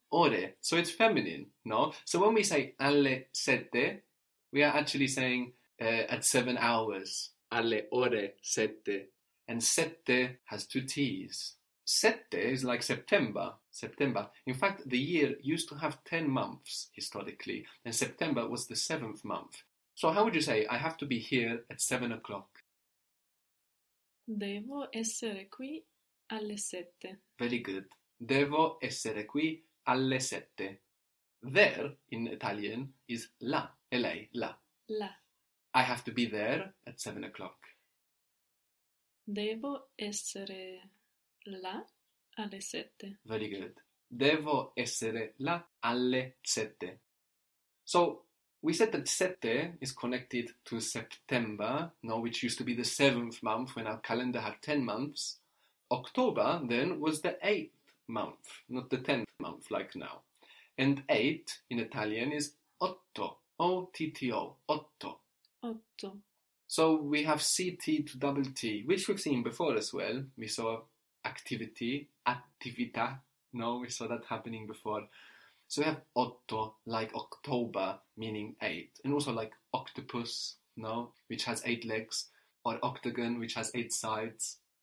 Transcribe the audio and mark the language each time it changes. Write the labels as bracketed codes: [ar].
[en] Ore. So it's feminine, no? So when we say [it] alle sette, [en] we are actually saying at 7 hours, [it] alle ore sette. [en] And sette has two T's. Sette is like September. September. In fact, the year used to have 10 months historically, and September was the 7th month. So how would you say, I have to be here at 7 o'clock? [it] Devo essere qui alle sette. [en] Very good. [it] Devo essere qui alle sette. [en] There, in Italian, is la. L-A, la. [it] La. [en] I have to be there at 7 o'clock. [it] Devo essere là alle sette. [en] Very good. [it] Devo essere là alle sette. [en] So, we said that sette is connected to September, no, which used to be the 7th month when our calendar had 10 months. October, then, was the 8th month, not the 10th month like now. And 8 in Italian is otto, O-T-T-O, otto. Otto. So we have CT to double T, which we've seen before as well. We saw activity, attività. No, we saw that happening before. So we have otto, like October, meaning eight. And also like octopus, no, which has eight legs. Or octagon, which has eight sides.